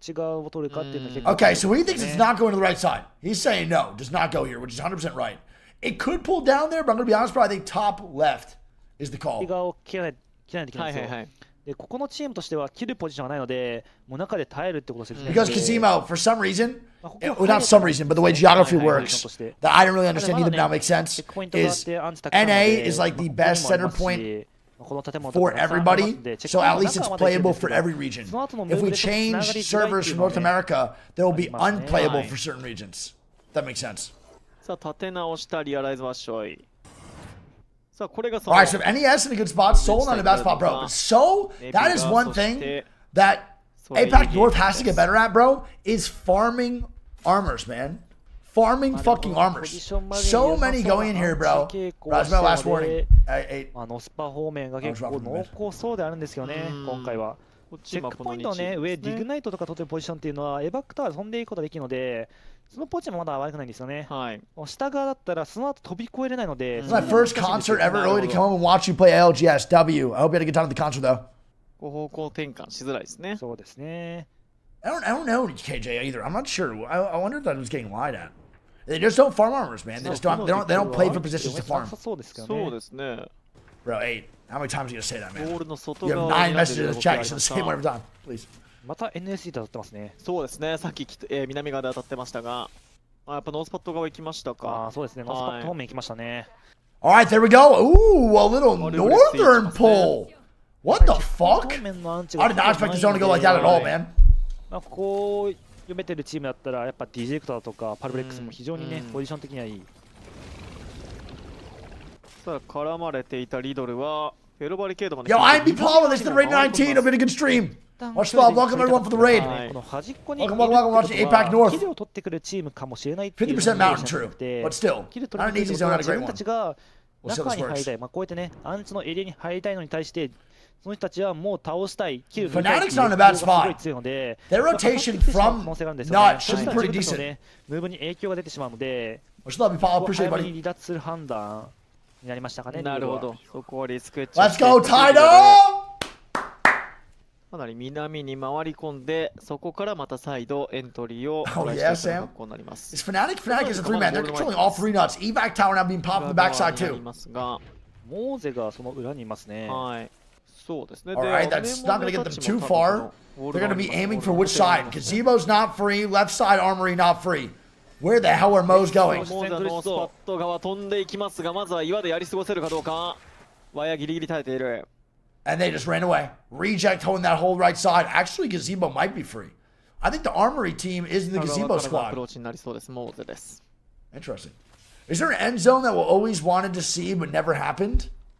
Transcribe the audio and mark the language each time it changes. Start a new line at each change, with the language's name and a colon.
English: Okay, so he thinks it's not going to the right side. He's saying no, does not go here, which is 100% right. It could pull down there, but I'm gonna be honest, bro, I think top left. is the call.
Japanese: リガーを切らない、切らないといけないんですよ。はいはいはい。で、ここのチームとしては切るポジションはないので、もう中で耐えるってことですね。
English: Because Kazimo, for some reason, not some reason, but the way geography works, that I don't really understand, even now makes sense, is NA is like the best center point for everybody, so at least it's playable for every region. If we change servers from North America, they will be unplayable for certain regions. That makes sense.
Japanese: さあ、立て直したリアライズはしょい。
English: All right, so NES in a good spot, Seoul not in a bad spot, bro. But Seoul, that is one thing that APAC North has to get better at, bro, is farming armors, man. Farming fucking armors. So many going in here, bro. That's my last warning.
Japanese: ノスパ方面が結構濃厚そうであるんですよね、今回は。チェックポイントね、上ディグナイトとか取ってるポジションっていうのは、エバクターで飛んでいくことができるので、そのポジションもまだ悪くないんですよね。はい。下側だったらその後飛び越えれないので。
English: This is my first concert ever really to come home and watch you play ALGS W. I hope you had a good time at the concert though.
Japanese: 方向転換しづらいですね。そうですね。
English: I don't know KJ either. I'm not sure. I wonder if that was getting lied at. They just don't farm armors, man. They don't play for positions to farm.
Japanese: そうですかね。そうですね。
English: Bro, eight. How many times are you gonna say that, man? You have nine messages in the chat. You say the same one every time. Please.
Japanese: また NSC で当たってますね。そうですね。さっき、南側で当たってましたが、あ、やっぱノースパッド側行きましたか。あ、そうですね。ノースパッド方面行きましたね。
English: All right, there we go. Ooh, a little northern pull. What the fuck? I did not expect this zone to go like that at all, man.
Japanese: まあ、こう読めてるチームだったら、やっぱディジェクターとかパルブレックスも非常にね、ポジション的にはいい。さあ、絡まれていたリドルは、フェロバリケードまで。
English: Yo, I'm the Paul. This is the Raid 19. It'll be a good stream. Watch the ball, welcome everyone for the raid. Welcome, watch the APAC North. 50% mountain true, but still, I don't need to zone out a great one. We'll see how this works.
Japanese: こうやってね、アンチのエリアに入りたいのに対して、その人たちはもう倒したい。
English: Fnatic's not in a bad spot. Their rotation from not should be pretty decent.
Japanese: ムーブに影響が出てしまうので、
English: Watch the ball, appreciate it, buddy.
Japanese: 離脱する判断になりましたかね。なるほど。そこはリスク。
English: Let's go, Tido!
Japanese: かなり南に回り込んで、そこからまた再度エントリーを出していく格好になります。
English: Oh, yeah, Fnatic? Fnatic is a three man. They're controlling all three nuts. Evac Tower now being popped in the backside too.
Japanese: モーゼがその裏にいますね。はい。そうですね。
English: All right, that's not going to get them too far. They're going to be aiming for which side? Kazimo's not free. Left side armory not free. Where the hell are Moe's going?
Japanese: モーゼのスパット側飛んでいきますが、まずは岩でやり過ごせるかどうか。ワイヤギリギリ耐えている。
English: And they just ran away. Reject holding that whole right side. Actually, Gazebo might be free. I think the armory team is the Gazebo squad. Interesting. Is there an end zone that we always wanted to see but never happened?